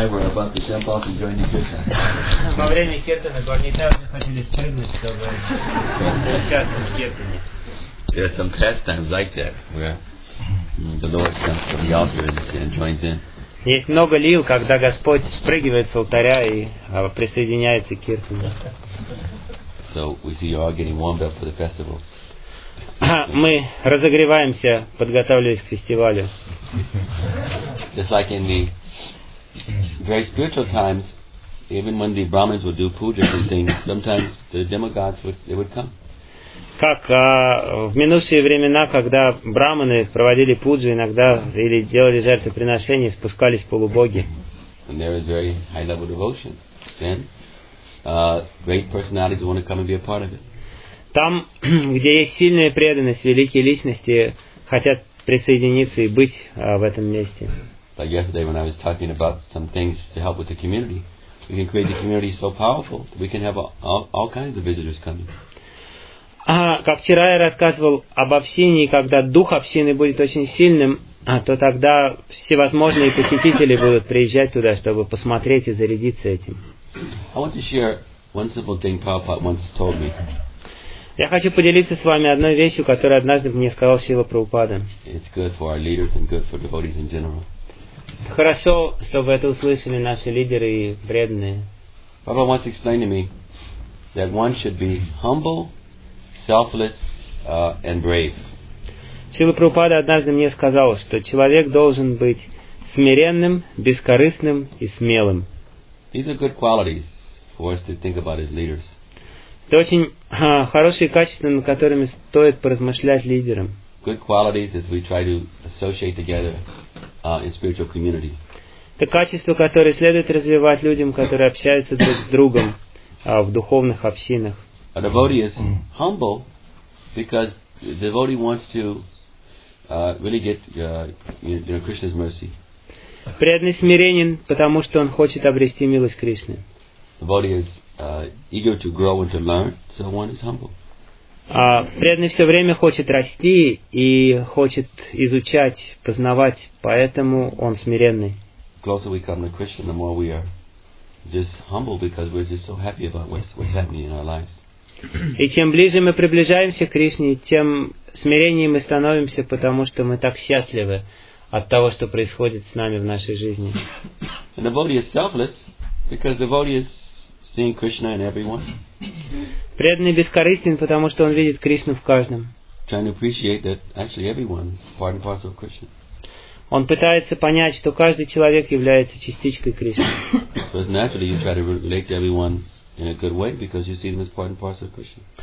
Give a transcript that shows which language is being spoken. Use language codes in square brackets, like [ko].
[ru] Во время кетана Гуанитай хотели прыгнуть, чтобы участвовать в кетане. [en] There are some pastimes like that where the Lord comes from the altar and joins in. [ru] Есть много лил, когда Господь спрыгивает с алтаря и присоединяется к киртану. [en] So we see you all getting warmed up for the festival. [ru] Мы разогреваемся, подготавливаясь к фестивалю. [en] Just like in the very spiritual times, even when the Brahmins would do puja and things, sometimes the demigods would come. [ru] Как в минувшие времена, когда брахманы проводили пуджу иногда или делали жертвоприношения, спускались полубоги. [en] And there is very high level devotion. Then great personalities want to come and be a part of it. [ru] Там, где есть сильная преданность, великие личности хотят присоединиться и быть в этом месте. [en] Like yesterday when I was talking about some things to help with the community, we can create the community so powerful that we can have all kinds of visitors coming. [ru] Как вчера я рассказывал об общении, когда дух общины будет очень сильным, то тогда всевозможные посетители будут приезжать туда, чтобы посмотреть и зарядиться этим. [en] I want to share one simple thing Prabhupada once told me. [ru] Я хочу поделиться с вами одной вещью, которую однажды мне сказал Шрила Прабхупада. [en] It's good for our leaders and good for devotees in general. [ru] Хорошо, чтобы это услышали наши лидеры и преданные. [en] Prabhupada once explained to me that one should be humble, selfless, and brave. [ru] Шрила Прабхупада однажды мне сказал, что человек должен быть смиренным, бескорыстным и смелым. [en] These are good qualities for us to think about as leaders. [ru] Это очень хорошие качества, над которыми стоит поразмышлять лидерам. [en] Good qualities as we try to associate together in spiritual community. [ru] Это качества, которые следует развивать людям, которые общаются друг с другом в духовных общинах. [en] A devotee is humble because the devotee wants to really get Krishna's mercy. [ru] Преданный смиренен, потому что он хочет обрести милость Кришны. [en] Devotee is eager to grow and to learn, so one is humble. [ru] Преданный все время хочет расти и хочет изучать, познавать, поэтому он смиренный. [en] The closer we come to Krishna, the more we are just humble because we're just so happy about what's happening in our lives. [ru] И чем ближе мы приближаемся к Кришне, тем смиреннее мы становимся, потому что мы так счастливы от того, что происходит с нами в нашей жизни. [en] And the body is selfless because the body is seeing Krishna in everyone. [ru] Преданный бескорыстен, потому что он видит Кришну в каждом. [en] Trying to appreciate that actually everyone is part and parcel of Krishna. [ru] Он пытается понять, что каждый человек является частичкой Кришны. [en] So naturally you try to relate to everyone in a good way because you see them as part and parcel of Krishna.